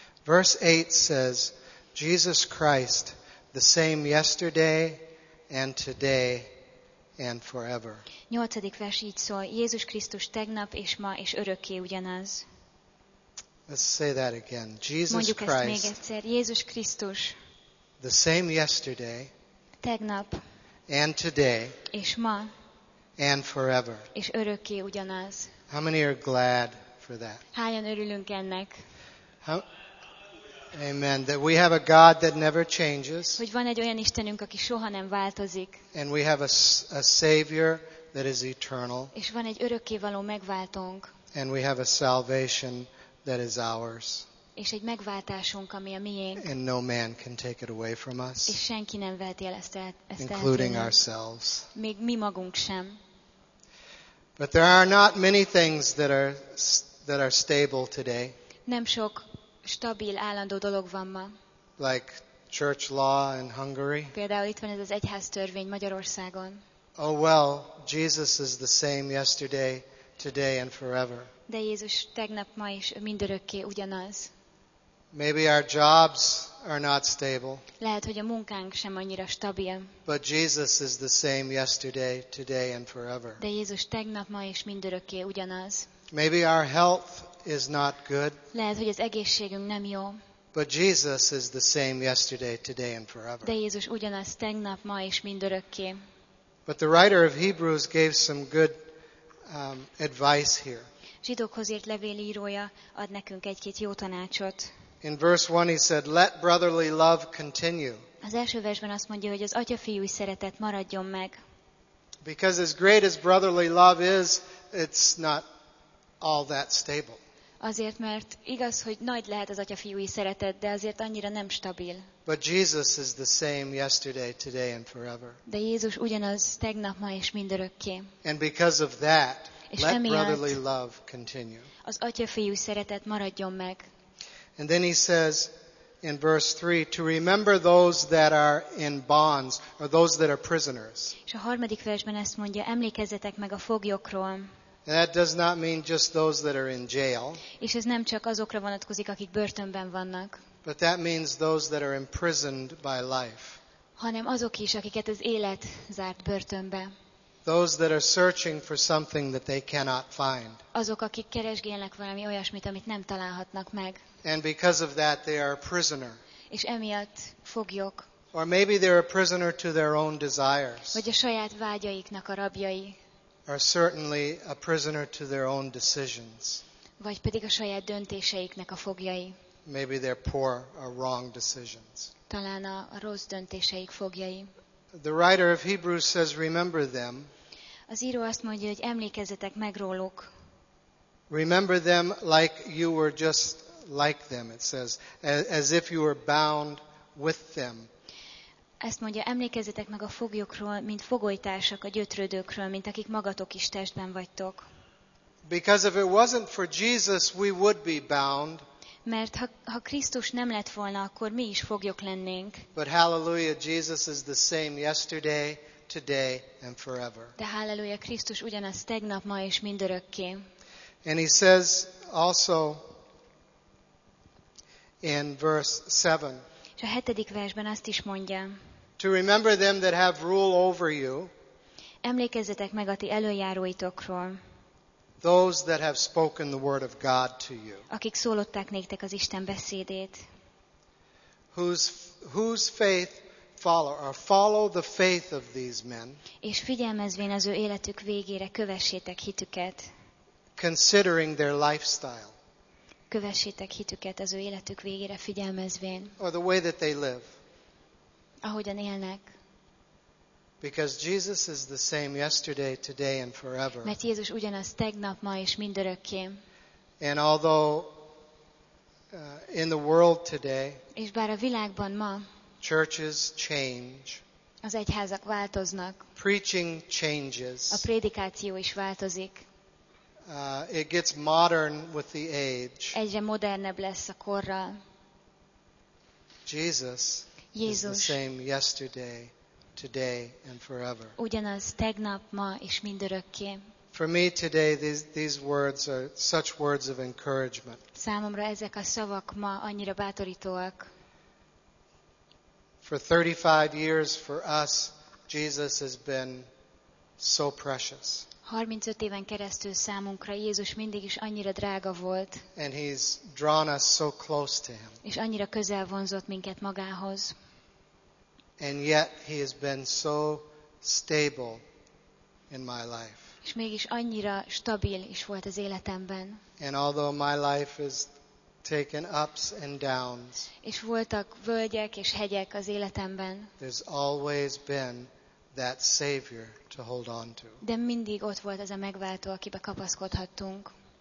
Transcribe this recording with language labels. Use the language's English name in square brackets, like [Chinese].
[English] Verse 8 says, Jesus Christ, the same yesterday and today and forever. [Hungarian] 8. vers így szól, Jézus Krisztus tegnap és ma és örökké ugyanaz. [English] Let's say that again. Jesus [Hungarian] Mondjuk [English] Christ. [Hungarian] Mondjuk ezt még egyszer. Jézus Krisztus. [English] The same yesterday, [Hungarian] tegnap, [English] and today, [Hungarian] és ma, [English] and forever. [Hungarian] És örökké ugyanaz. [English] How many are glad for that? [Hungarian] Hányan örülünk ennek? [English] Amen. That we have a God that never changes. [Hungarian] Hogy van egy olyan Istenünk, aki soha nem változik. [English] And we have a Savior that is eternal. [Hungarian] És van egy örökké való megváltónk. [English] And we have a salvation that is ours. [Hungarian] És egy megváltásunk, ami a miénk. [English] And no man can take it away from us. [Hungarian] És senki nem veheti el ezt el. [English] Including ourselves. [Hungarian] Még mi magunk sem. [English] But there are not many things that are stable today. [Hungarian] Nem sok stabil, állandó dolog van ma. [English] Like church law in Hungary. [Hungarian] Például itt van ez az egyháztörvény Magyarországon. [English] Oh well, Jesus is the same yesterday, today and forever. [Hungarian] De Jézus tegnap, ma is mindörökké ugyanaz. [English] Maybe our jobs are not stable. [Hungarian] Lehet, hogy a munkánk sem annyira stabil. [English] But Jesus is the same yesterday, today and forever. [Hungarian] De Jézus tegnap, ma és mindörökké ugyanaz. [English] Maybe our health is not good. [Hungarian] Lehet, hogy az egészségünk nem jó. [English] But Jesus is the same yesterday, today and forever. [Hungarian] De Jézus ugyanaz tegnap, ma és mindörökké. [English] But the writer of Hebrews gave some good advice here. [Hungarian] Zsidókhoz írt levélírója ad nekünk egy-két jó tanácsot. [English] In verse 1 he said, let brotherly love continue. [Hungarian] Az első versben azt mondja, hogy az atyafiúi szeretet maradjon meg. [English] Because as great as brotherly love is, it's not all that stable. [Hungarian] Azért, mert igaz, hogy nagy lehet az atyafiúi szeretet, de azért annyira nem stabil. [English] But Jesus is the same yesterday, today and forever. [Hungarian] De Jézus ugyanaz tegnap, ma és mindörökké. [English] And because of that, [Hungarian] és [English] let brotherly love continue. [Hungarian] Az atyafiúi szeretet maradjon meg. [English] And then he says in verse 3, to remember those that are in bonds or those that are prisoners. [Hungarian] És a harmadik versben ezt mondja, emlékezzetek meg a foglyokról. [English] That does not mean just those that are in jail. [Hungarian] És ez nem csak azokra vonatkozik, akik börtönben vannak. [English] But that means those that are imprisoned by life. [Hungarian] Hanem azok is, akiket az élet zárt börtönbe. [English] Those that are searching for something that they cannot find. [Hungarian] Azok, akik keresgélnek valami olyasmit, amit nem találhatnak meg. [English] And because of that they are a prisoner. [Hungarian] És emiatt foglyok. [English] Or maybe they're a prisoner to their own desires. [Hungarian] Vagy a saját vágyaiknak a rabjai. [English] Are certainly a prisoner to their own decisions. [Hungarian] Vagy pedig a saját döntéseiknek a fogjai. [English] Maybe they're poor or wrong decisions. [Hungarian] Talán a rossz döntéseik fogjai. [English] The writer of Hebrews says, remember them. [Hungarian] Az író azt mondja, hogy emlékezzetek meg róluk. [English] Remember them like you were just like them, it says, as if you were bound with them. [Hungarian] Ezt mondja, emlékezzetek meg a foglyokról, mint fogolytársak, a gyötrődőkről, mint akik magatok is testben vagytok. [English] Because if it wasn't for Jesus, we would be bound. [Hungarian] Mert ha Krisztus nem lett volna, akkor mi is foglyok lennénk. [English] But hallelujah, Jesus is the same yesterday, today and forever. [Hungarian] De hallelujah, Krisztus ugyanaz tegnap, ma és mindörökké. [English] And he says also in verse 7, [Hungarian] és a hetedik versben azt is mondja. [English] To remember them that have rule over you. [Hungarian] Emlékezzetek meg a ti előjáróitokról. [English] Those that have spoken the word of God to you. [Hungarian] Akik szólották néktek az Isten beszédét. [English] Whose faith follow or follow the faith of these men. [Hungarian] És figyelmezvén az ő életük végére kövessétek hitüket. [English] Considering their lifestyle. [Hungarian] Kövessétek hitüket az ő életük végére figyelmezvén. [English] Or the way that they live. [Hungarian] Ahogyan élnek. [English] Because Jesus is the same yesterday, today and forever. [Hungarian] Mert Jézus ugyanaz tegnap, ma és mindörökké. [English] And although in the world today. [Hungarian] És bár a világban ma. [English] Churches change. [Hungarian] Az egyházak változnak. [English] Preaching changes. [Hungarian] A prédikáció is változik. [English] It gets modern with the age. [Hungarian] Egyre modernebb lesz a korral. [English] Jézus is the same yesterday, today and forever. [Hungarian] Ugyanaz tegnap, ma és mindörökké. [English] For me today these words are such words of encouragement. [Hungarian] Számomra ezek a szavak ma annyira bátorítóak. [English] For 35 years for us Jesus has been so precious. [Hungarian] 35 éven keresztül számunkra Jézus mindig is annyira drága volt. [English] And he's drawn us so close to him. [Hungarian] És annyira közel vonzott minket magához. [English] And yet he has been so stable in my life. [Hungarian] És mégis annyira stabil is volt az életemben. [English] And although my life has taken ups and downs. [Hungarian] És voltak völgyek és hegyek az életemben. [English] There's always been that savior to hold on to. [Hungarian] De mindig ott volt az a megváltó, akibe kapaszkodhattunk.